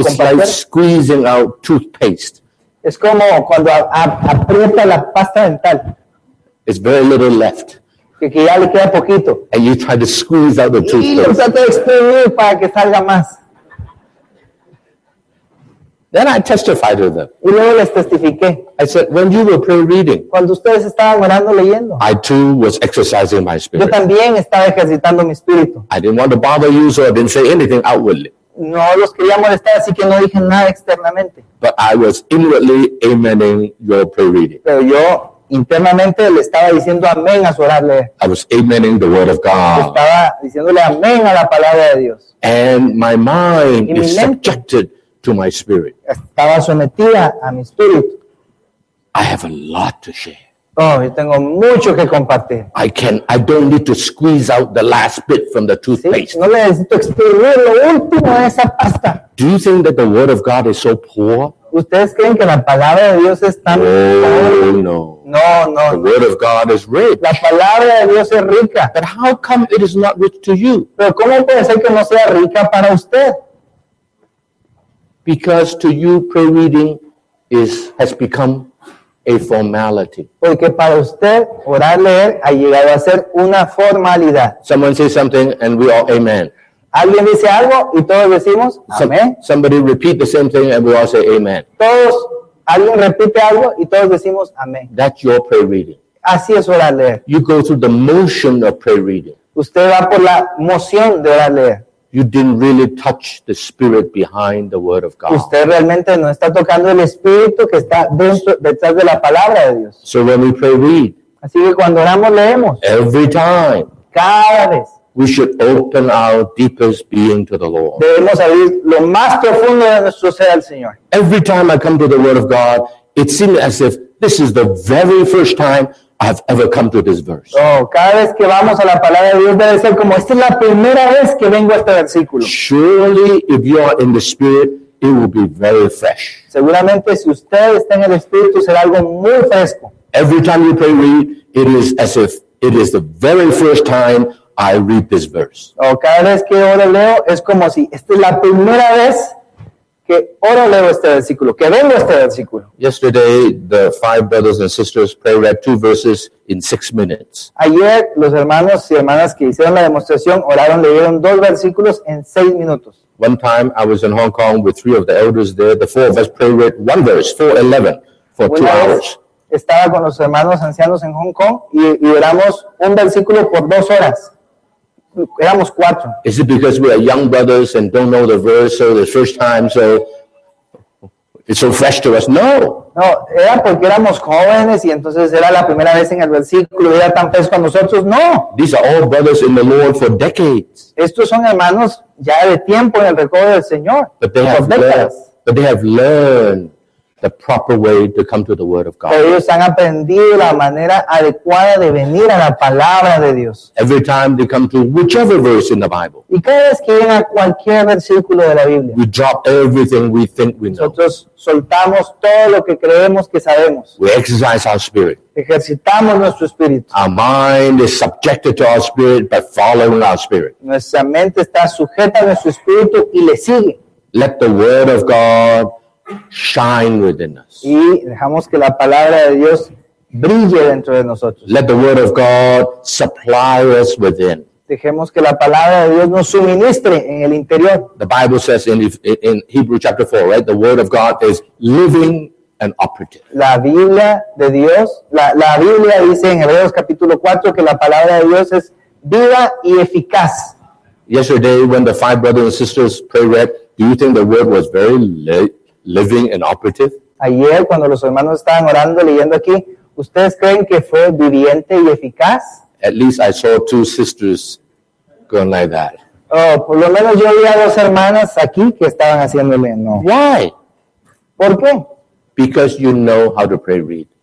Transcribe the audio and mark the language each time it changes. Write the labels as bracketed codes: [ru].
[en] it's like squeezing out toothpaste. [es] Es como cuando aprieta la pasta dental. [en] It's very little left. [es] Que ya le queda poquito. [en] And you try to squeeze out the toothpaste. [es] Y lo trato de exprimir para que salga más. [en] Then I testified to them. [es] Y luego les testifiqué. [en] I said, when you were prayer reading, [es] cuando ustedes estaban orando, leyendo, [en] I too was exercising my spirit. [es] Yo también estaba ejercitando mi espíritu. [en] I didn't want to bother you, so I didn't say anything outwardly. [es] No los quería molestar, así que no dije nada externamente. [en] But I was inwardly amening your prayer reading. [es] Pero yo internamente le estaba diciendo amén a su orarle. [en] I was amening the word of God. [es] Estaba diciéndole amén a la palabra de Dios. [en] And my mind is subjected to my spirit. [es] Estaba sometida a mi espíritu. [en] I have a lot to share. [es] Oh, yo tengo mucho que compartir. [en] I don't need to squeeze out the last bit from the toothpaste. [es] ¿Sí? No le necesito exprimir lo último de esa pasta. [en] Do you think that the word of God is so poor? [es] ¿Ustedes creen que la palabra de Dios es tan pobre? No, no, no. [en] The word of God is rich. [es] La palabra de Dios es rica. [en] But how come it is not rich to you? [es] ¿Pero cómo puede ser que no sea rica para usted? [en] Because to you, prayer reading has become a formality. [es] Porque para usted, orar leer ha llegado a ser una formalidad. [en] Someone says something and we all amen. [es] Alguien dice algo y todos decimos amén. [en] Somebody repeat the same thing and we all say amen. [es] Todos, alguien repite algo y todos decimos amén. [en] That's your prayer reading. [es] Así es orar leer. [en] You go through the motion of prayer reading. [es] Usted va por la moción de orar leer. [en] You didn't really touch the spirit behind the word of God. [es] Usted realmente no está tocando el espíritu que está dentro, detrás de la palabra de Dios. [en] So when we pray, read. [es] Así que cuando oramos, leemos. [en] Every time. [es] Cada vez. [en] We should open our deepest being to the Lord. [es] Debemos abrir lo más profundo de nuestro ser al Señor. [en] Every time I come to the word of God, it seems as if this is the very first time I've ever come to this verse. [es] Oh, cada vez que vamos a la palabra de Dios debe ser como esta es la primera vez que vengo a este versículo. [en] Surely, if you are in the Spirit, it will be very fresh. [es] Seguramente, si usted está en el Espíritu, será algo muy fresco. [en] Every time you pray, read, it is as if it is the very first time I read this verse. [es] Oh, cada vez que oro leo es como si esta es la primera vez que oro leo este versículo, que vengo este versículo. [en] Yesterday, the five brothers and sisters prayed read two verses in 6 minutes. [es] Ayer, los hermanos y hermanas que hicieron la demostración oraron, leyeron dos versículos en 6 minutos. [en] One time, I was in Hong Kong with three of the elders there. The four of us prayed read one verse, 4:11, for 2 hours. [es] Estaba con los hermanos ancianos en Hong Kong y oramos un versículo por 2 horas. Éramos 4. [en] Is it because we are young brothers and don't know the verse, so the first time, so it's so fresh to us? No. [es] No, era porque éramos jóvenes y entonces era la primera vez en el versículo, era tan fresco a nosotros. [en] No. These are all brothers in the Lord for decades. [es] Estos son hermanos ya de tiempo en el recuerdo del Señor. [en] But they have learned the proper way to come to the word of God. [es] Ellos han aprendido la manera adecuada de venir a la palabra de Dios. [en] Every time they come to whichever verse in the Bible. [es] Y cada vez que llegan a cualquier versículo de la Biblia. [en] We drop everything we think we know. [es] Nosotros soltamos todo lo que creemos que sabemos. [en] We exercise our spirit. [es] Ejercitamos nuestro espíritu. [en] Our mind is subjected to our spirit by following our spirit. [es] Nuestra mente está sujeta a nuestro espíritu y le sigue. [en] Let the word of God shine within us. [es] Y dejamos que la palabra de Dios brille dentro de nosotros. [en] Let the word of God supply us within. [es] Dejemos que la palabra de Dios nos suministre en el interior. [en] The Bible says in Hebrew chapter 4, right? The word of God is living and operative. [es] La Biblia de Dios, la Biblia dice en Hebreos capítulo 4 que la palabra de Dios es viva y eficaz. [en] Yesterday when the five brothers and sisters prayed, right, do you think the word was very living and operative? [es] Ayer, cuando los hermanos estaban orando, leyendo aquí, ¿ustedes creen que fue viviente y eficaz? [en] At least I saw two sisters going like that. [es] Oh, por lo menos yo vi a dos hermanas aquí que estaban haciéndole no. [en] Why? [es] ¿Por qué? [en] Because you know how to pray read.